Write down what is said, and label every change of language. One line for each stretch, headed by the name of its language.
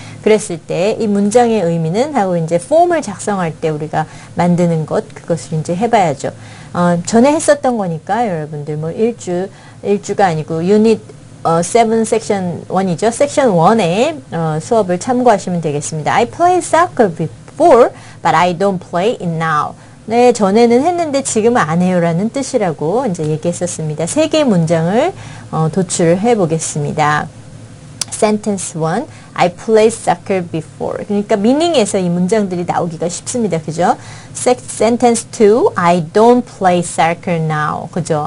Korean: 그랬을 때 이 문장의 의미는 하고 이제 폼을 작성할 때 우리가 만드는 것 그것을 이제 해봐야죠. 전에 했었던 거니까 여러분들 뭐 1주가 아니고 유닛 7 섹션 1이죠. 섹션 1의 수업을 참고하시면 되겠습니다.
English: I play soccer before but I don't play it now.
Korean: 네, 전에는 했는데 지금은 안 해요 라는 뜻이라고 이제 얘기했었습니다. 세 개의 문장을 도출을 해 보겠습니다.
English: Sentence 1, I played soccer before.
Korean: 그러니까 meaning에서 이 문장들이 나오기가 쉽습니다. 그죠?
English: Sentence 2, I don't play soccer now.
Korean: 그죠?